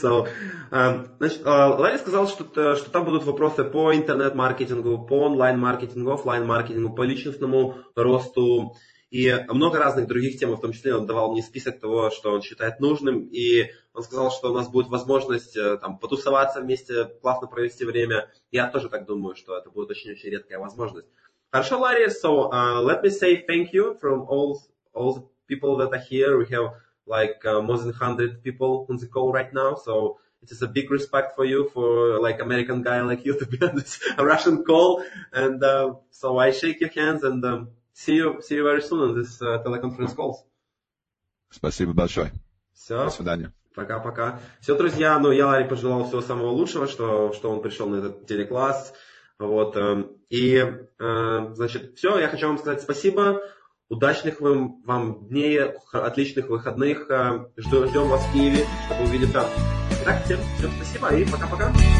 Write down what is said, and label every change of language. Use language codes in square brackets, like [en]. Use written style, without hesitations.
[en] So, [ru] Ларри сказал, что там будут вопросы по интернет-маркетингу, по онлайн-маркетингу, офлайн-маркетингу, по личностному росту и много разных других тем. В том числе он давал мне список того, что он считает нужным. И он сказал, что у нас будет возможность там потусоваться вместе, классно провести время. Я тоже так думаю, что это будет очень-очень редкая возможность. Хорошо, Ларри. [en] So let me say thank you from all the people that are here. We have like more than 100 people on the call right now, so it is a big respect for you, for like American guy like you to be on this Russian call. And so I shake your hands and see you very soon on this teleconference calls. [ru] Спасибо большое. Все. До свидания. Пока-пока. Все, друзья, ну я Ларри пожелал всего самого лучшего, что он пришел на этот телекласс. Вот. Значит, все, я хочу вам сказать спасибо. Удачных вам дней, отличных выходных. Ждем вас в Киеве, чтобы увидеться. Итак, всем спасибо и пока-пока.